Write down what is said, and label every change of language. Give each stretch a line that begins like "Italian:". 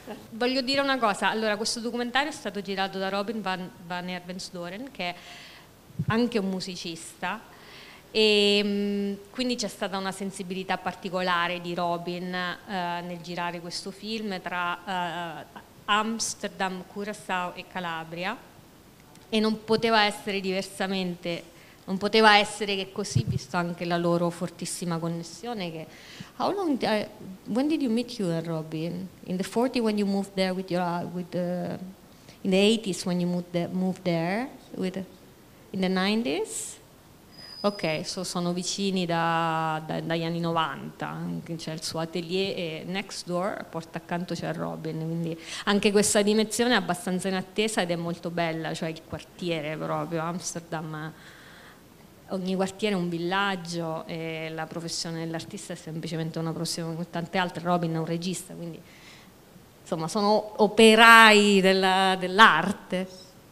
Italian: Voglio dire una cosa, allora, questo documentario è stato girato da Robin van Ervensdoren, che è anche un musicista, e quindi c'è stata una sensibilità particolare di Robin nel girare questo film tra Amsterdam, Curaçao e Calabria, e non poteva essere diversamente, non poteva essere che così, visto anche la loro fortissima connessione.
English: Che how long when did you meet you and Robin? In the 40s when you moved there with your in the 80s when you moved there with in the 90s?
Italian: Ok, sono vicini dagli anni 90, c'è il suo atelier e
English: next door,
Italian: porta accanto c'è Robin, quindi anche questa dimensione è abbastanza inattesa ed è molto bella, cioè il quartiere proprio, Amsterdam, ogni quartiere è un villaggio e la professione dell'artista è semplicemente una professione come tante altre, Robin è un regista, quindi insomma sono operai dell'arte.